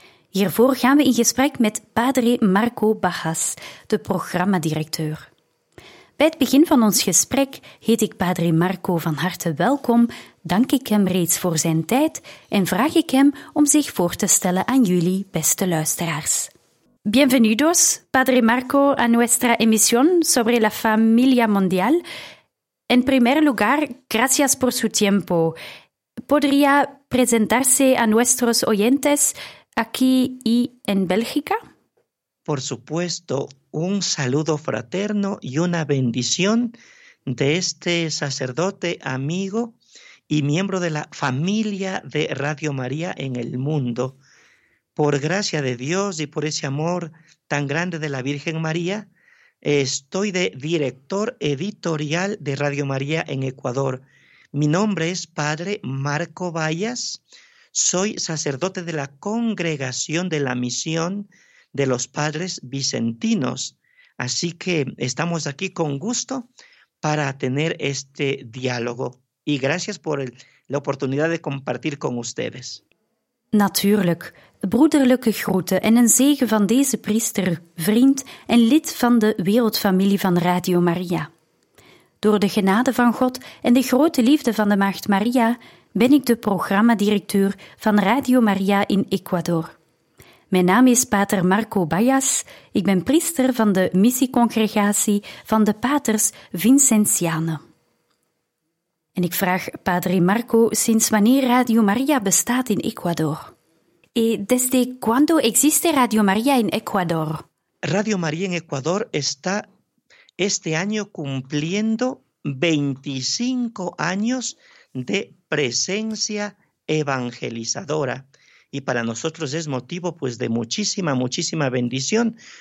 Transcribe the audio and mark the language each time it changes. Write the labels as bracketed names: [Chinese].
[Dutch] Hiervoor gaan we in gesprek met Padre Marco Bajas, de programmadirecteur. Bij het begin van ons gesprek heet ik Padre Marco van harte welkom, dank ik hem reeds voor zijn tijd en vraag ik hem om zich voor te stellen aan jullie, beste luisteraars. [Spanish] Bienvenidos, Padre Marco, a nuestra emisión sobre la familia mundial. En primer lugar, gracias por su tiempo. ¿Podría presentarse a nuestros oyentes aquí y en Bélgica? Por supuesto, un saludo fraterno y una bendición de este sacerdote, amigo y miembro de la familia de Radio María en el mundo. Por gracia de Dios y por ese amor tan grande de la Virgen María, estoy de director editorial de Radio María en Ecuador. Mi nombre es Padre Marco Bajas, soy sacerdote de la Congregación de la Misión de los Padres Vicentinos. Así que estamos aquí con gusto para tener este diálogo. Y gracias por la oportunidad de compartir con ustedes. [Dutch] Natuurlijk. Broederlijke groeten en een zegen van deze priester, vriend en lid van de wereldfamilie van Radio Maria. Door de genade van God en de grote liefde van de Maagd Maria ben ik de programmadirecteur van Radio Maria in Ecuador. Mijn naam is Pater Marco Bajas. Ik ben priester van de missiecongregatie van de Paters Vincentianen. En ik vraag Padre Marco sinds wanneer Radio Maria bestaat in Ecuador. [Spanish] ¿Y desde cuándo existe Radio María en Ecuador? Radio María en Ecuador está este año cumpliendo 25 años de presencia evangelizadora. Y para nosotros es motivo pues de muchísima, muchísima bendición.